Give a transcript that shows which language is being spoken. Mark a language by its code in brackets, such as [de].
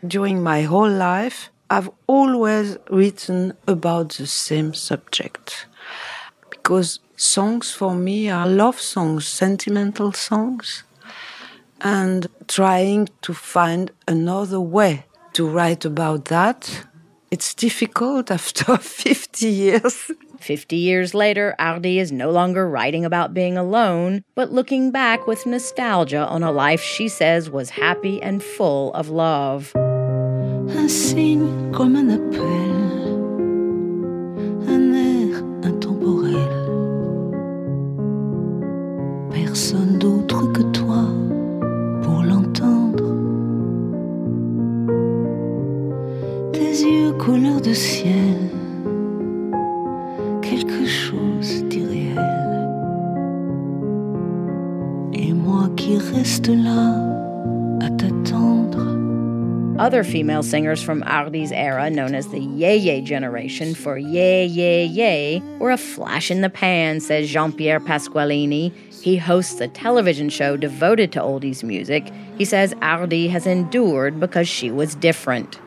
[en] During my whole life, I've always written about the same subject, because songs for me are love songs, sentimental songs, and trying to find another way to write about that, it's difficult after 50 years. 50 years later, Hardy is no longer writing about being alone, but looking back with nostalgia on a life she says was happy and full of love. [fr] Un signe comme un appel, un air intemporel. Personne d'autre que toi pour l'entendre. Tes yeux couleur de ciel, quelque chose d'irréel. Et moi qui reste là à t'attendre. [en] Other female singers from Hardy's era, known as the Ye Ye generation for Ye Ye Ye, were a flash in the pan, says Jean-Pierre Pasqualini. He hosts a television show devoted to oldies music. He says Hardy has endured because she was different.